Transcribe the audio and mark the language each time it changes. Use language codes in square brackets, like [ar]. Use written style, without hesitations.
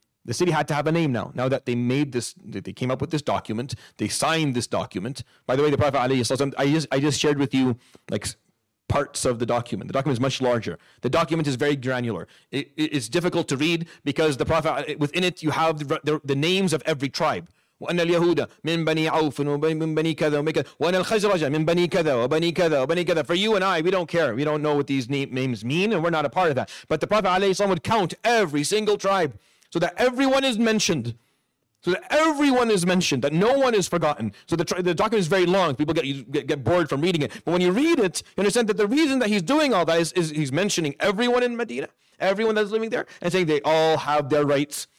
[en] The city had to have a name now. Now that they made this, they came up with this document, they signed this document. By the way, the Prophet, alayhi salatu wasalam, I just shared with you like parts of the document. The document is much larger. The document is very granular. It's difficult to read because the Prophet, within it, you have the names of every tribe. [ar] وأن اليهود من بني عوف ومن بني كذا ومن كذا وأن الخزرج من بني كذا وبني كذا وبني كذا. [en] For you and I, we don't care. We don't know what these names mean, and we're not a part of that. But the Prophet ﷺ would count every single tribe, so that everyone is mentioned, so that everyone is mentioned, that no one is forgotten. So the document is very long. People get bored from reading it. But when you read it, you understand that the reason that he's doing all that is he's mentioning everyone in Medina, everyone that's living there, and saying they all have their rights.